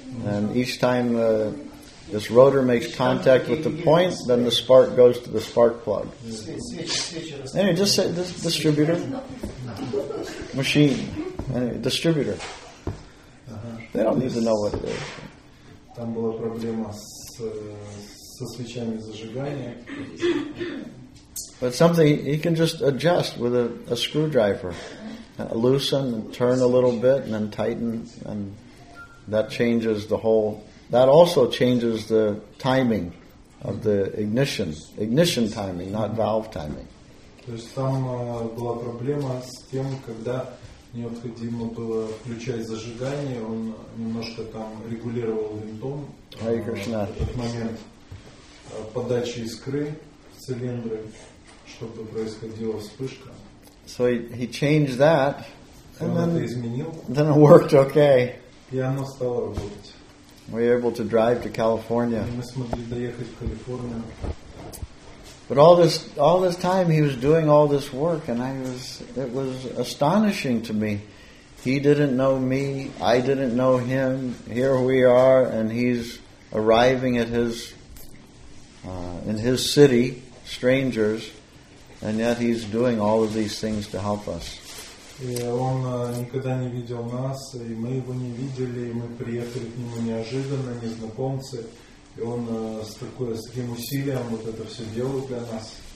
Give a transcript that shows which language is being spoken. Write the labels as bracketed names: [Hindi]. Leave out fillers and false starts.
[English] And each time this rotor makes contact with the point, then the spark goes to the spark plug. Anyway, just say this distributor. Machine. Anyway, distributor. Uh-huh. They don't need to know what it is. [Russian] Там была проблема со свечами зажигания. [English] But something he can just adjust with a screwdriver. Loosen and turn a little bit and then tighten, and that changes the whole. That also changes the timing of the ignition. Ignition timing, not valve timing. [Russian] То есть там была проблема с тем, когда необходимо было включать зажигание, он немножко там регулировал винтом этот момент подачи искры в цилиндры, чтобы происходила вспышка. [English] So he changed that, and [Russian] он это изменил. [English] Then it worked okay. [Russian] И оно стало работать. [English] We were able to drive to California. [Russian] Мы смогли доехать в Калифорнию. [English] But all this time he was doing all this work, and it was astonishing to me. He didn't know me, I didn't know him. Here we are, and he's arriving at his in his city, strangers, and yet he's doing all of these things to help us. [Russian] Он никогда не видел нас, и мы его не видели, и мы приехали к нему неожиданно, незнакомцы. И он с таким усилием вот это все делал для нас.